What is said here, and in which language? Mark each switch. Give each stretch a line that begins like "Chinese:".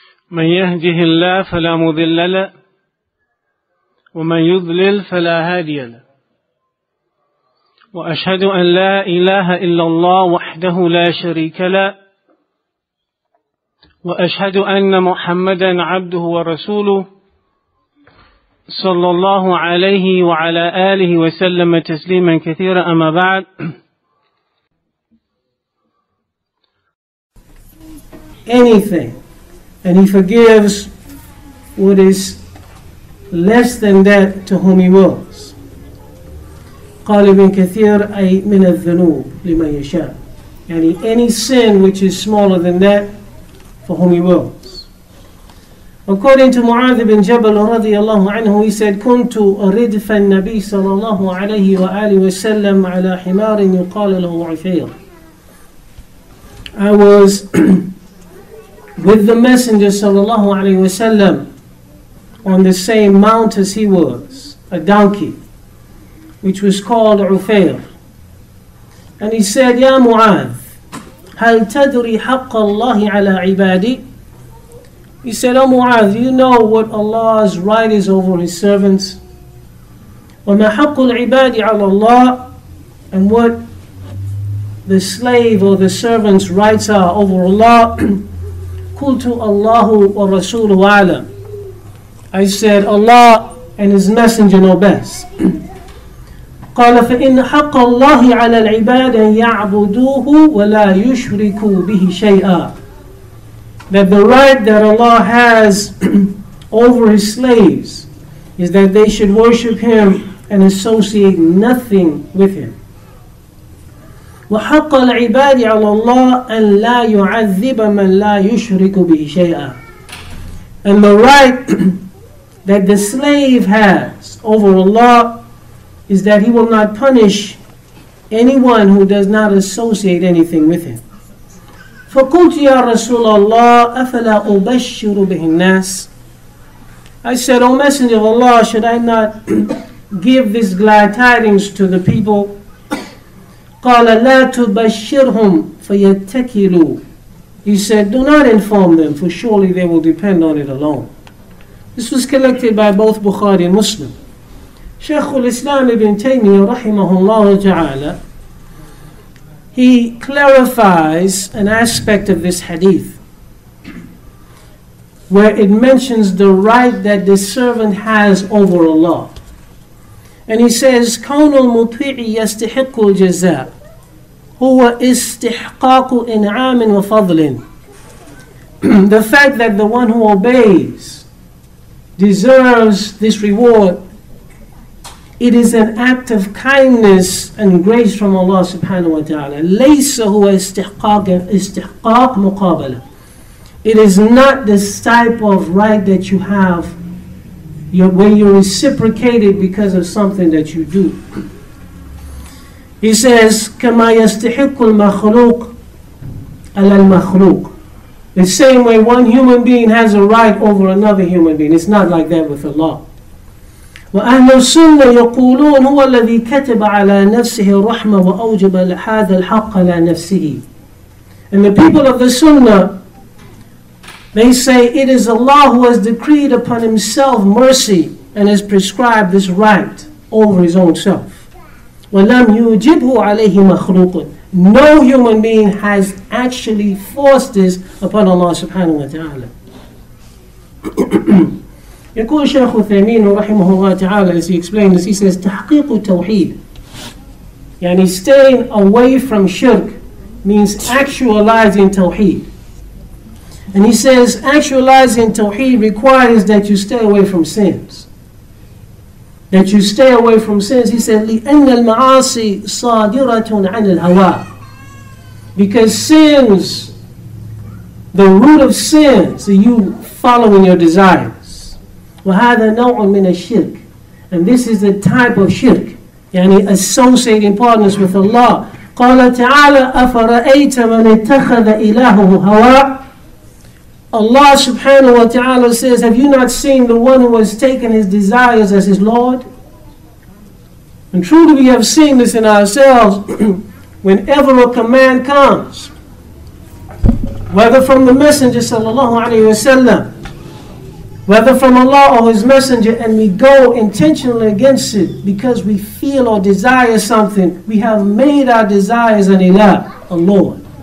Arabic: من يهده الله فلا مضل له ومن يضلل فلا هادي له وأشهد أن لا إله إلا الله وحده لا شريك له وأشهد أن محمدا عبده ورسوله صلى الله عليه وعلى آله وسلم تسليما كثيرا أما بعد
English: anything and he forgives what is less than that to whom he wills.
Arabic: قال ابن كثير أي من الذنوب لمن يشاء يعني
English: any sin which is smaller than that for whom he wills. According to Mu'adh ibn Jabal radiyallahu anhu, he said,
Arabic: كُنْتُ أَرِدْفَ النَّبِي صَلَى اللَّهُ عَلَيْهِ وَآلِهِ وَسَلَّمْ عَلَى حِمَارٍ يُقَالَ لَهُ عُفَيْرٌ.
English: I was with the Messenger صلى الله عليه وسلم on the same mount as he was, a donkey, which was called Ufair. And he said,
Arabic: يَا مُعَاذ, هَلْ تَدْرِي حَقَّ اللَّهِ عَلَىٰ عِبَادِي.
English: He said, oh Mu'adh, do you know what Allah's right is over His servants?
Arabic: وَمَا حَقُّ الْعِبَادِ عَلَىٰ اللَّهِ.
English: And what the slave or the servant's rights are over Allah.
Arabic: قُلْتُ اللَّهُ وَرَسُولُ وَعَلَمْ.
English: I said, Allah and His Messenger know best.
Arabic: قال فإن حق الله على العباد أن يعبدوه ولا يشركوا به شيئا.
English: That the right that Allah has over His slaves is that they should worship Him and associate nothing with Him.
Arabic: وحق العباد على الله أن لا يعذب من لا يشرك به شيئا.
English: And the right that the slave has over Allah is that he will not punish anyone who does not associate anything with him.
Arabic: فَقُلْتُ يَا رَسُولَ اللَّهِ أَفَلَا أُبَشِّرُ بِهِ النَّاسِ.
English: I said, O Messenger of Allah, should I not give this glad tidings to the people?
Arabic: قَالَ لَا تُبَشِّرْهُمْ فَيَتَّكِلُوا.
English: He said, do not inform them, for surely they will depend on it alone. This was collected by both Bukhari and Muslim. Shaykh al-Islam ibn Taymiyyah rahimahullah ta'ala, he clarifies an aspect of this hadith where it mentions the right that the servant has over Allah. And he says,
Arabic: كَوْنُ الْمُطِيعِ يَسْتِحِقُّ الْجَزَاءِ هُوَ إِسْتِحْقَاقُ إِنْعَامٍ وَفَضْلٍ.
English: The fact that the one who obeys deserves this reward, it is an act of kindness and grace from Allah subhanahu wa ta'ala.
Arabic: لَيْسَ هُوَ إِسْتِحْقَاقُ مُقَابَلًا.
English: It is not this type of right that you have where you reciprocate it because of something that you do. He says,
Arabic: كَمَا يَسْتِحِقُّ الْمَخْلُوقُ عَلَى الْمَخْلُوقُ.
English: The same way one human being has a right over another human being. It's not like that with Allah.
Arabic: وأهل السنة يقولون هو الذي كتب على نفسه الرحمة وأوجب هذا الحق على نفسه.
English: And the people of the Sunnah, they say it is Allah who has decreed upon Himself mercy and has prescribed this right over His own self.
Arabic: ولم يوجبه عليه مخلوق.
English: No human being has actually forced this upon Allah subhanahu wa ta'ala.
Arabic: يقول شيخ الثامين رحمه الله تعالى
English: as he explains this, he says
Arabic: تحقيق التوحيد يعني
English: staying away from shirk means actualizing توحيد. And he says actualizing توحيد requires that you stay away from sins. That you stay away from sins. He said
Arabic: لأن المعاصي صادرة عن الهوى.
English: Because sins, the root of sins, are you following your desire.
Arabic: وَهَذَا نَوْعٌ مِنَ الشِّرْكِ.
English: And this is the type of shirk, yani associating partners with Allah
Arabic: قال تعالى أفرأيت من اتخذ إلهه هوى.
English: Allah subhanahu wa ta'ala says, have you not seen the one who has taken his desires as his Lord? And truly we have seen this in ourselves. Whenever a command comes, whether from the Messenger sallallahu alayhi wa sallam, whether from Allah or His Messenger, and we go intentionally against it because we feel or desire something, we have made our desires an ilah, a Lord.